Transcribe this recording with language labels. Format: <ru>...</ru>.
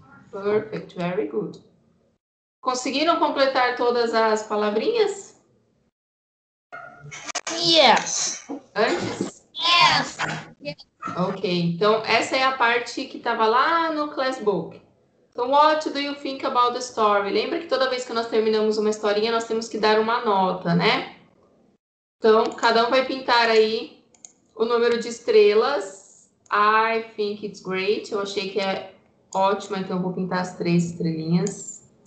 <en>Perfect, very good.</en> <pt>Conseguiram completar todas as palavrinhas?</pt> <en>Yes.</en> <pt>Antes?</pt> <en>Yes.</en> <pt>Ok, então essa é a parte que estava lá no classbook. Então,</pt> <en>what do you think about the story?</en> <pt>Lembra que toda vez que nós terminamos uma historinha, nós temos que dar uma nota, né? Então, cada um vai pintar aí o número de estrelas.</pt> <en>I think it's great.</en> <pt>Eu achei que é ótimo, então eu vou pintar as 3 estrelinhas.</pt>